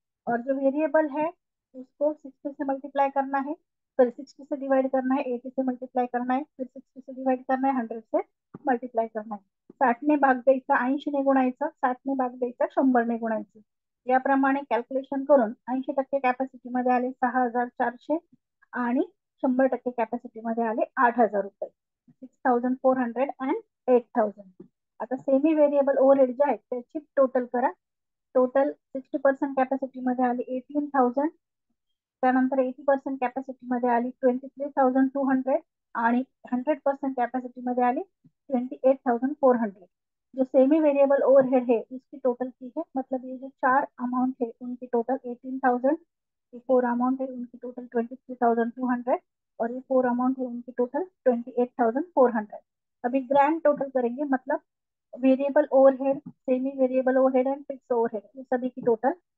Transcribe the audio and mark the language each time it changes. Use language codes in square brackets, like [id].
[hi] और जो वेरिएबल है उसको 60 से मल्टीप्लाई करना है, [mr] फिर 60 से डिवाइड करना है, 80 से मल्टीप्लाई करना है, फिर 60 से डिवाइड करना है, 100 से मल्टीप्लाई करना है, 60 ने भाग द्यायचा, 80 ने गुणायचं, 60 ने भाग द्यायचा, 100 ने गुणायचं, याप्रमाणे कॅल्क्युलेशन करून 80% कॅपॅसिटी मध्ये आले 6,400 आणि 100% कॅपॅसिटी मध्ये आले 8,000 रुपये, 6,400 अँड 8,000। आता सेमी व्हेरिएबल ओव्हरहेड जे आहेत त्याची टोटल करा, टोटल 60% कॅपॅसिटी मध्ये आले 18,000, त्यानंतर 80% कॅपॅसिटी मध्ये आली 23,200 आणि 100% कॅपॅसिटी मध्ये आली 28,400। [hi] जो सेमी वेरिएबल ओवरहेड है उसकी टोटल की है, मतलब ये जो चार अमाउंट है उनकी टोटल 18,000, ये फोर अमाउंट है उनकी टोटल 23,200 और ये फोर अमाउंट है उनकी टोटल 28,400। अभी ग्रैंड टोटल करेंगे, मतलब variable overhead, semi variable overhead and fix overhead, ये सभी की टोटल।